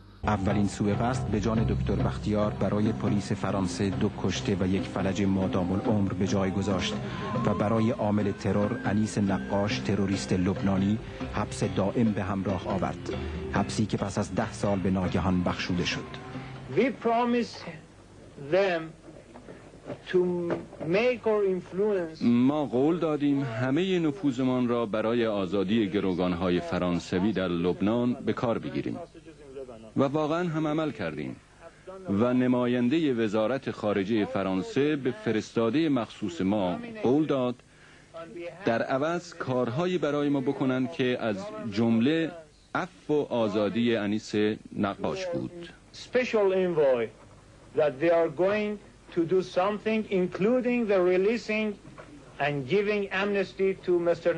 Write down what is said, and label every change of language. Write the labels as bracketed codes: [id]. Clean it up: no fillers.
[fa] اولین سوء قصد به جان دکتر بختیار برای پلیس فرانسه 2 کشته و 1 فلج مادام العمر به جای گذاشت و برای عامل ترور انیس نقاش تروریست لبنانی حبس دائم به همراه آورد، حبسی که پس از 10 سال به ناگهان بخشوده شد. [en] We promise them to make or influence... [fa] ما قول دادیم همه نفوذمان را برای آزادی گروگان‌های فرانسوی در لبنان به کار بگیریم و واقعا هم عمل کردیم و نماینده وزارت خارجه فرانسه به فرستاده مخصوص ما قول داد در عوض کارهایی برای ما بکنند که از جمله عفو و آزادی انیس نقاش بود. [en] Special envoy that they are going to do something including the releasing and giving amnesty to Mr.